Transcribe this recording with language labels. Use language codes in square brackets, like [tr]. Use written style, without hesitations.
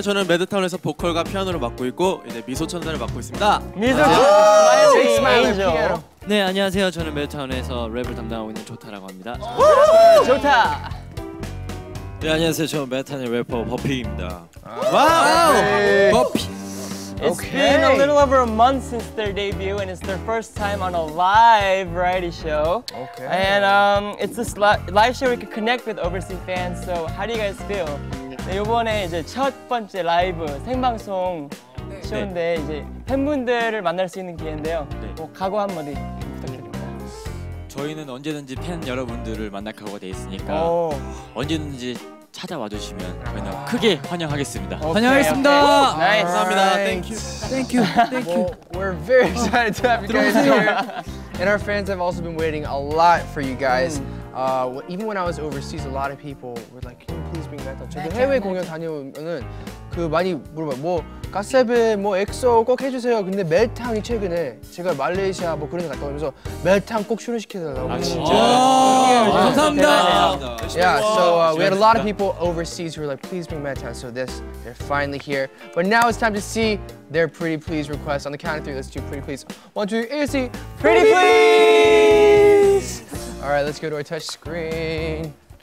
[ko] 저는 매드타운에서 보컬과 피아노를 맡고 있고 이제 미소천사를 맡고 있습니다. 미소천사. 네, 안녕하세요. 저는 매드타운에서 랩을 담당하고 있는 조타라고 합니다. 조타. 네, 안녕하세요. 저는 매드타운의 래퍼 버핑입니다. 와우. 버핑. [en] It's been a little over a month since their debut, and it's their first time on a live variety show. Okay. And it's this live show we could connect with overseas fans. So how do you guys feel? [ko] 네, 이번에 이제 첫 번째 라이브 생방송 쇼인데 네. 이제 팬분들을 만날 수 있는 기회인데요. 네. 뭐 각오 한마디 부탁드립니다. 저희는 언제든지 팬 여러분들을 만날 각오가 돼 있으니까 언제든지. 찾아와 주시면 저희는 크게 환영하겠습니다. [en] Okay, [ko] 환영하겠습니다. [en] Okay. Nice. [ko] 감사합니다. [en] Right. Thank you. Well, we're very excited to have you guys here. And our fans have also been waiting a lot for you guys. Even when I was overseas, a lot of people were like, "Can you please bring back?" [ko] 저도 해외 공연 다녀오면은 그 많이 물어봐요. 뭐 가세븐, 뭐 엑소 꼭 해주세요. 근데 매드타운이 최근에 제가 말레이시아 뭐 그런 데 갔다 오면서 매드타운 꼭 출연시켜달라고. 아 진짜. 감사합니다. [en] Yeah, so we had a lot of people overseas who were like, "Please bring Madtown." So this, they're finally here. But now it's time to see their Pretty Please request. On the count of three, let's do Pretty Please. 1, 2, 3, Pretty Please. All right, let's go to our touch screen.